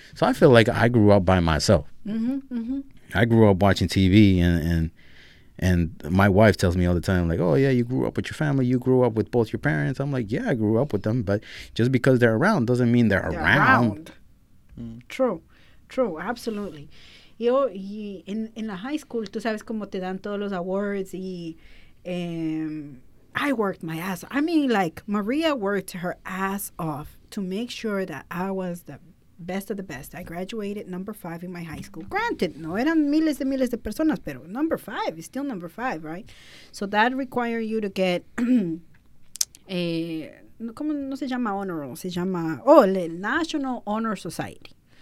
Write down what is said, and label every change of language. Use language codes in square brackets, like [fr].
[en] So I feel like I grew up by myself. I grew up watching TV, and my wife tells me all the time, like, oh, yeah, you grew up with your family. You grew up with both your parents. I'm like, yeah, I grew up with them. But just because they're around doesn't mean they're around. True, absolutely. [es] Yo, en la high school, tú sabes cómo te dan todos los awards y... [en] I worked my ass off. I mean, like, Maria worked her ass off to make sure that I was the best of the best. I graduated number 5 in my high school. Granted, [es] no eran miles de miles de personas, pero [en] number 5 is still number 5, right? So that required you to get the National Honor Society.